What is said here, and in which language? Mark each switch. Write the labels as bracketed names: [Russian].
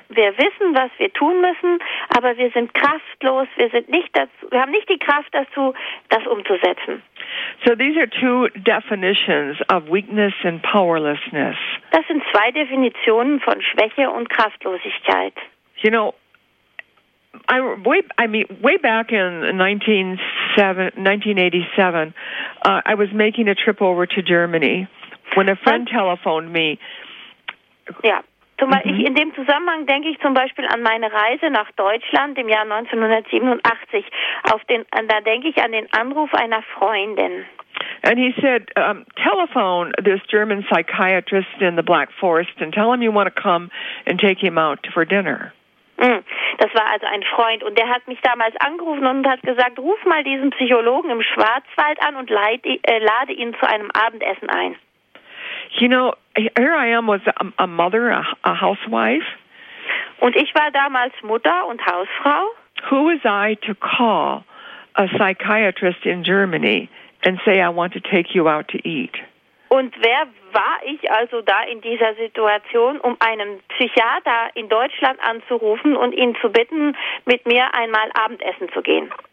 [German] Wir wissen, was wir tun müssen, aber wir sind kraftlos. Wir sind nicht dazu, wir haben nicht die Kraft dazu, das umzusetzen. [English] So these are two definitions of weakness and powerlessness. [German] Das sind zwei Definitionen von Schwäche und Kraftlosigkeit. [English] You know, way back in 1987, I was making a trip over to Germany when a friend telephoned me. [German] Ja, in dem Zusammenhang denke ich zum Beispiel an meine Reise nach Deutschland im Jahr 1987. Da denke ich an den Anruf einer Freundin. [English] And he said, telephone this German psychiatrist in the Black Forest and tell him you want to come and take him out for dinner. [German] Das war also ein Freund und der hat mich damals angerufen und hat gesagt, ruf mal diesen Psychologen im Schwarzwald an und lade ihn zu einem Abendessen ein. [English] You know, here I am was a mother, a housewife. [German] Und ich war damals Mutter und Hausfrau. [English] Who was I to call a psychiatrist in Germany and say I want to take you out to eat? [German] Und wer war ich also da in dieser Situation, um einen Psychiater in Deutschland anzurufen und ihn zu bitten, mit mir einmal Abendessen zu gehen?